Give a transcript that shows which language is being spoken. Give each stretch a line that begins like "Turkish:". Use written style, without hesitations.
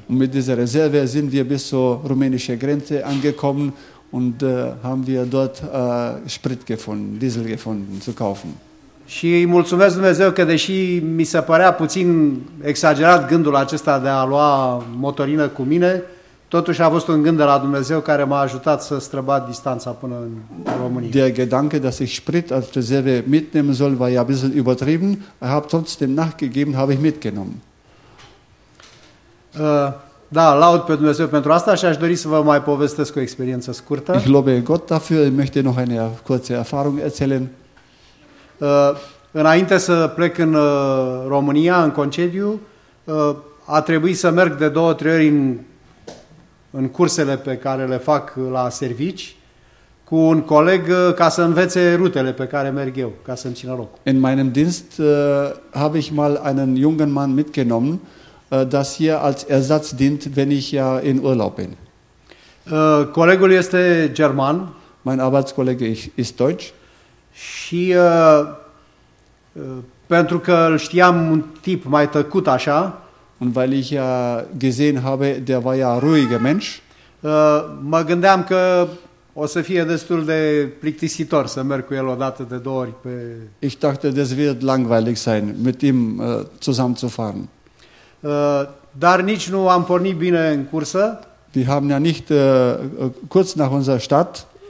German: Mit dieser Reserve sind wir bis zur rumänischen Grenze angekommen Und haben wir dort Sprit gefunden, Diesel gefunden zu kaufen.
Romanian: Și îi mulțumesc Dumnezeu că deși mi se părea puțin exagerat gândul acesta de a lua motorină cu mine, totuși a fost un gând de la Dumnezeu care m-a ajutat să străbat distanța până în România.
German: Der Gedanke, dass ich Sprit als Reserve mitnehmen soll, war ja ein bisschen übertrieben. Ich habe trotzdem nachgegeben, habe ich mitgenommen.
Romanian: Da, laud pe Dumnezeu pentru asta și aș dori să vă mai povestesc o experiență scurtă.
German: Ich lobe Gott dafür, ich möchte noch eine kurze Erfahrung erzählen.
Romanian: Înainte să plec în România, în concediu, a trebuit să merg de 2-3 ori în cursele pe care le fac la servici cu un coleg ca să învețe rutele pe care merg eu, ca să-mi țină loc.
German: In meinem Dienst habe ich mal einen jungen Mann mitgenommen, das hier als Ersatz dient, wenn ich ja in Urlaub bin.
Romanian: Colegul este german.
German: Mein Arbeitskollege ist deutsch.
Romanian: Și pentru că îl știam un tip mai tăcut așa,
German: und weil ich ja gesehen habe, der war ja ruhiger Mensch.
Romanian: Mă gândeam că o să fie destul de plictisitor să merg cu el o dată de două ori pe.
German: Ich dachte, das wird langweilig sein, mit ihm zusammen zu fahren.
Romanian: Dar nici nu am pornit bine în cursă.
German: Wir haben ja nicht kurz nach unserer Start.